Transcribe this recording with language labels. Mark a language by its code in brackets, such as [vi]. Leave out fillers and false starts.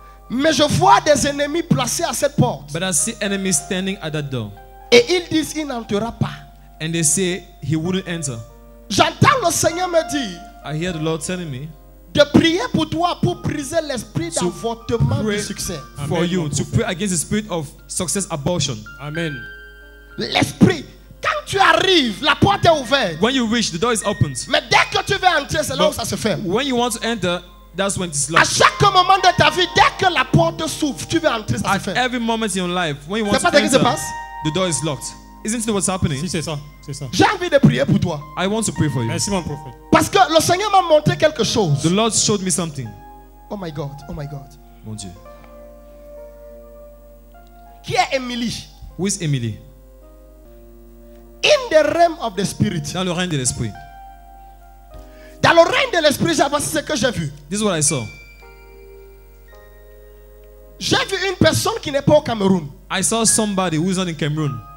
[fr] Mais je vois des ennemis placés à cette porte. [en] But I see enemies standing at that door. [fr] Et ils disent il n'entrera pas. [en] And they say he wouldn't enter. [fr] J'entends le Seigneur me dire. [en] I hear the Lord telling me. [fr] De prier pour toi pour briser l'esprit d'avortement du succès. [en] For you to pray against the spirit of success abortion. Amen. [fr] L'esprit, quand tu arrives, la porte est ouverte. [en] When you reach, the door is opened. [fr] Mais dès que tu veux entrer, c'est là où ça se ferme. [en] When you want to enter, that's when it's locked. [fr] À chaque moment de ta vie, dès que la porte s'ouvre, tu veux entrer, ça [en] at [fr] se ferme. [en] At every moment in your life, when you want [fr] c'est [en] to enter. [fr] C'est pas ce qui se passe. [en] The door is locked. Isn't it what's happening? [fr] Si, c'est ça. C'est ça. J'ai envie de prier pour toi. [en] I want to pray for you. [fr] Merci mon prophète. Parce que le Seigneur m'a montré quelque chose. [en] The Lord showed me something. Oh my God. Oh my God. [fr] Mon Dieu. Qui est Emily? [en] Who is Emily? In the realm of the spirit. [fr] Dans le règne de l'esprit. Dans le règne de l'esprit, j'ai avancé ce que j'ai vu. [en] This is what I saw. [fr] J'ai vu une personne qui n'est pas au Cameroun. [en] I saw somebody who is not in Cameroon.